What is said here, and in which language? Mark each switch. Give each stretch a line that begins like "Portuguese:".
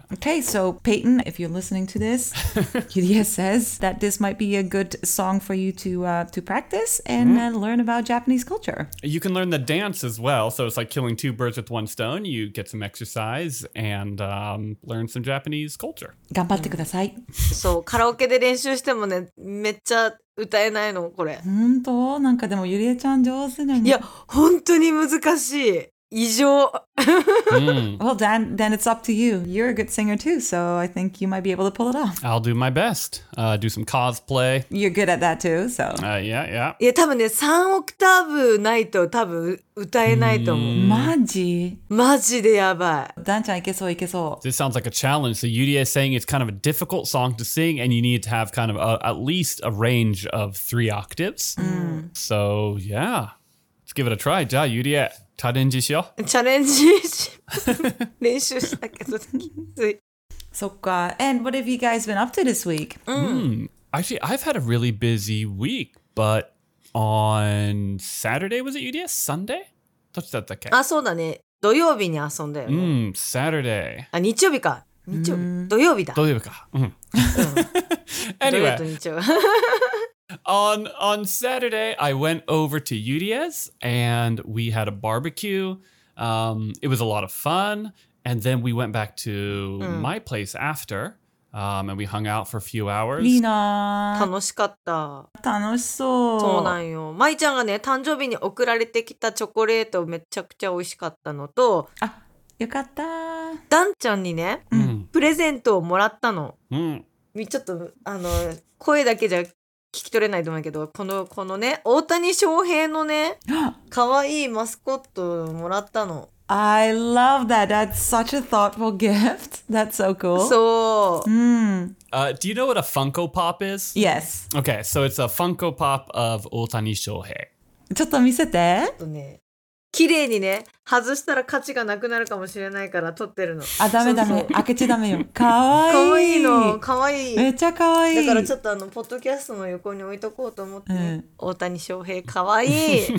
English: Okay, so Peyton, if you're listening to this, Yuria says that this might be a good song for you to practice and learn about Japanese culture. You can learn the dance as well. So it's like killing two birds with one stone. You get some exercise and learn some Japanese culture.
Japanese: 頑張ってください。そう、カラオケで練習してもね、めっちゃ歌えないの、これ。本当？なんかでもゆりえちゃん上手なの。いや、本当に難しい。異常。
English: Well, Dan, it's up to you. You're a good singer too, so I think you might be able to pull it off. I'll do my best. Do some cosplay. You're good at that too, so. Yeah.
Japanese: いや、多分ね、3オクターブないと多分歌えないと思う。マジ？マジでやばい。ダンちゃん、いけそう、いけそう。
English: This sounds like a challenge. So Yuri is saying it's kind of a difficult song to sing, and you need to have kind of at least a range of 3 octaves. So, yeah. Let's give it a try.
Japanese: じゃあ、ゆりえ、チャレンジしよう。チャレンジし。練習したけど、きつい。そっか。
English: And what have you guys been up to this week? Actually, I've had a really busy week, but on Saturday, was it UDS?
Japanese: Sunday? どっちだったっけ？あ、そうだね。土曜日に遊んだよね。
English: うん、Saturday。
Japanese: あ、日曜日か。日曜日。土曜日だ。土曜日か。
English: うん。Anyway, on Saturday, I went over to Yuria's and we had a barbecue. It was a lot of fun. And then we went back to my place after and we hung out for a few hours.
Japanese: いいな。楽しかった。楽しそう。そうなんよ。舞ちゃんがね、誕生日に送られてきたチョコレートめちゃくちゃ美味しかったのと、あ、よかった。ダンちゃんにね、プレゼントをもらったの。うん。ちょっとあの声だけじゃ聞き取れないと思うけど、このね、大谷翔平のね、かわいいマスコットをもらったの。
English: I love that. That's such a thoughtful gift. That's so cool.
Japanese: そう。
English: Do you know what a Funko Pop is? Yes. Okay, so it's a Funko Pop of 大谷翔平。
Japanese: ちょっと見せて。ちょっとね、綺麗にね、外したら価値がなくなるかもしれないから撮ってるの。あ、ダメダメ、開けちゃダメよ。かわいい。かわいいの、かわいい。めっちゃかわいい。だからちょっとあの、ポッドキャストの横に置いとこうと思って、うん、大谷翔平、かわいい。